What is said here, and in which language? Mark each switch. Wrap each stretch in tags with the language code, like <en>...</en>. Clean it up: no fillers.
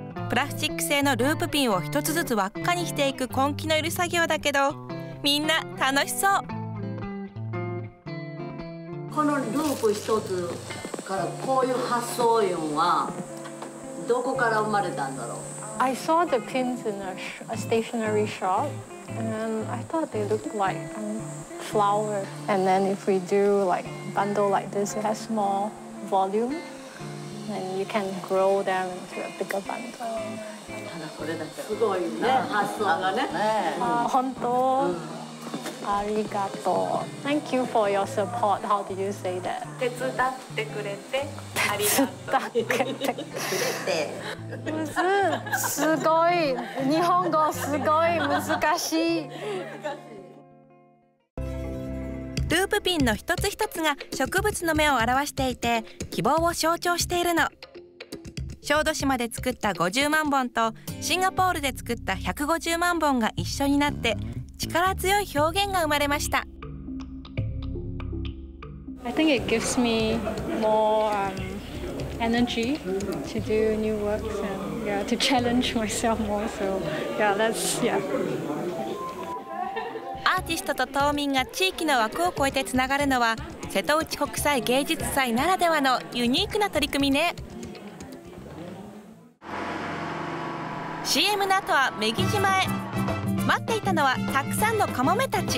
<ja>プラスチック製のループピンを一つずつ輪っかにしていく根気のいる作業だけど、みんな楽しそう。このループ一つからこういう発想いうのはどこから生まれたんだろう。</ja> <en>I saw the pins in a stationery shop and then I thought they looked like flower and then if we do like bundle like this it has small volume and you can grow them into a bigger bundle。</en> <ja>すごいな、発想がね。本当、ありがとう。</ja> <en>Thank you for your support. How do you say that?</en> <ja>手伝ってくれて、ありがとう。手伝ってくれて。むず、すごい。日本語すごい難しい。難しい。ループピンの一つ一つが植物の芽を表していて、希望を象徴しているの。小豆島で作った50万本とシンガポールで作った150万本が一緒になって力強い表現が生まれました。</ja> <en>I think it gives me more energy to do new works and yeah, to challenge myself more. So yeah, that's yeah.</en> <ja>アーティストと島民が地域の枠を越えてつながるのは瀬戸内国際芸術祭ならではのユニークな取り組みね。 CM の後は女木島へ。待っていたのはたくさんのカモメたち。</ja>